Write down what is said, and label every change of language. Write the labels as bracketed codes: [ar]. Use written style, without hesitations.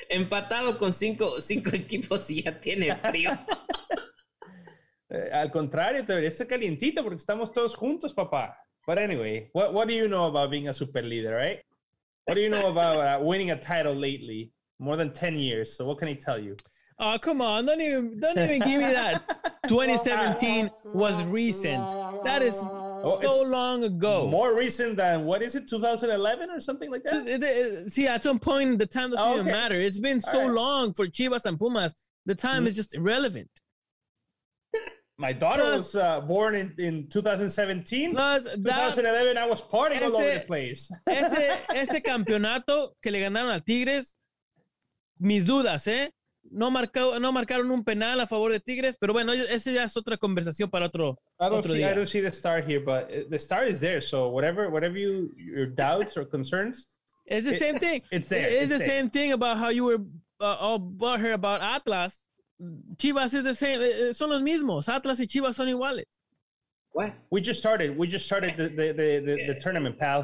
[es] Empatado con cinco equipos y ya tiene frío. Al contrario, todavía está calientito porque estamos todos juntos, papá. [en] But anyway, what do you know about being a super leader, right? What do you know about winning a title lately? More than 10 years. So what can he tell you? Oh, come on. Don't even give me that. 2017 was recent. That is so long ago. More recent than, what is it, 2011 or something like that? See, at some point, the time doesn't even matter. It's been so long for Chivas and Pumas. The time is just irrelevant. My daughter was born in 2017. Plus 2011, I was partying all over the place. [es] ese campeonato que le ganaron al Tigres, mis dudas, ¿eh? No marcaron un penal a favor de Tigres, pero bueno, ese ya es otra conversación para otro día. [en] I don't see the star here, but the star is there. So whatever your doubts or concerns. It's the same thing. It's there. It's the same thing about how you were all butthurt about Atlas. Chivas is the same. [es] Son los mismos. Atlas y Chivas son iguales. [en] What? We just started the tournament, pal.